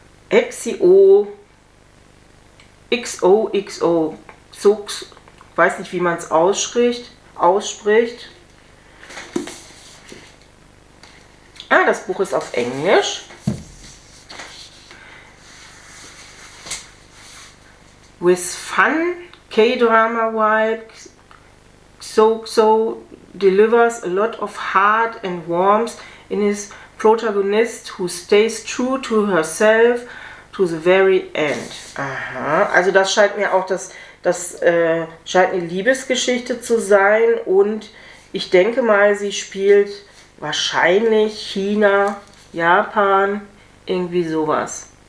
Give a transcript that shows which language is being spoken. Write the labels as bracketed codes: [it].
[de] XO, XOXO, Zux, weiß nicht, wie man es ausspricht. Ah, das Buch ist auf Englisch. [en] With Fun, K-Drama Vibe, XOXO delivers a lot of heart and warmth in his protagonist who stays true to herself to the very end. [de] Aha, also das scheint mir auch, scheint eine Liebesgeschichte zu sein und ich denke mal, sie spielt wahrscheinlich China, Japan, irgendwie sowas.